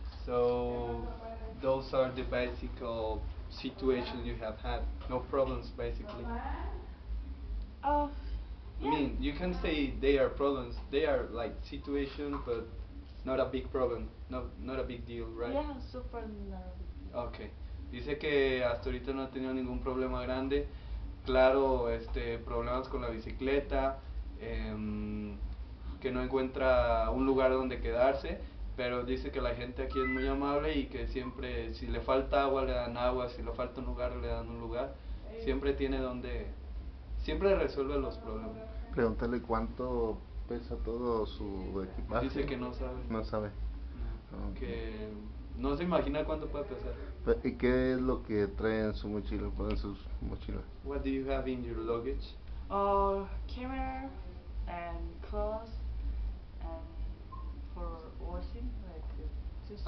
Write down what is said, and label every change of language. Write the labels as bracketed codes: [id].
[en] So those are the bicycle situation you have had. No problems, basically. Yeah. I mean, you can say they are problems. They are like situation, but not a big problem. Not a big deal, right? Yeah, super nervous. Okay. [es] Dice que hasta ahorita no ha tenido ningún problema grande. Claro, problemas con la bicicleta, que no encuentra un lugar donde quedarse, pero dice que la gente aquí es muy amable y que siempre, si le falta agua, le dan agua, si le falta un lugar, le dan un lugar. Siempre tiene donde, siempre resuelve los problemas. Pregúntale cuánto pesa todo su equipaje. Dice que no sabe. No sabe. Que no se imagina cuánto puede pesar. ¿Y qué es lo que trae en su mochila? ¿Pone en sus mochilas? [en] What do you have in your luggage? Camera and clothes and for washing, like two shoes.